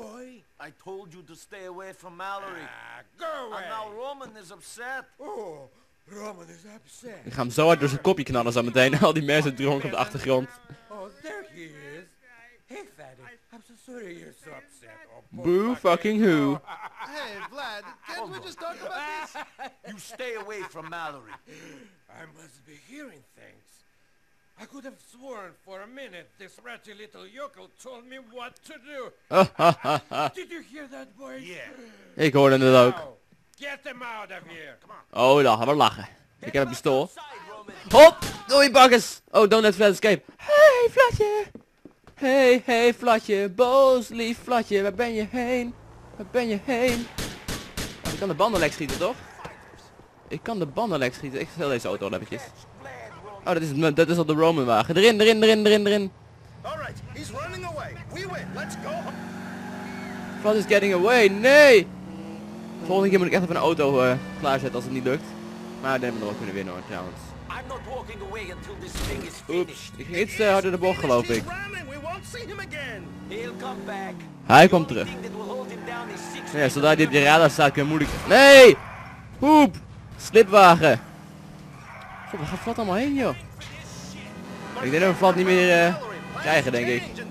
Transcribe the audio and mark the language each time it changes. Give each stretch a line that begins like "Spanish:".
English: Boy, I told you to stay away from Mallory. Go away. And now Roman is upset. Oh, Roman is upset.
Dutch: Ik ga hem zo hard door zijn kopje knallen zo meteen. Al die mensen dronken op de achtergrond.
English: Oh, there he is. Hey, Fatty. I'm so sorry you're so upset. Boo fucking who. Hey, Vlad, can't we just talk about this? You stay away from Mallory. I must be hearing things. I could have sworn for a minute this ratty little yokel told me what to do. Did you hear that, boy? Yeah.
Dutch: Ik hoorde het ook.
English: Get them out of here.
Dutch: Oh, dan gaan we lachen. Ik heb een pistool. Hop! Doei, bakkes!
English: Oh, don't let Vlad escape.
Dutch: Hey, Vladje! Hey, Vladje. Boos, lief Vladje. Waar ben je heen? Waar ben je heen? Oh, ik kan de banden lek schieten, toch? Ik kan de banden lek schieten. Ik stel deze auto al eventjes. Oh, dat is al de Roman wagen. Erin.
English: Alright, he's running away. We win. Let's go. Vlad is getting away. Nee!
Dutch: Volgende keer moet ik echt even een auto klaarzetten als het niet lukt. Maar dan hebben we nog kunnen winnen hoor, trouwens.
English: I'm not walking away until this thing is finished.
Dutch: Oeps, ik ging iets harder de bocht, geloof ik.
English: We won't see him again. He'll come back.
Dutch: Hij komt terug. Ja, zodra hij op de radar staat, kun je moeilijk... Nee! Hoep! Slipwagen! God, waar gaat Vlad allemaal heen, joh? Ik denk dat we Vlad niet meer krijgen, denk ik.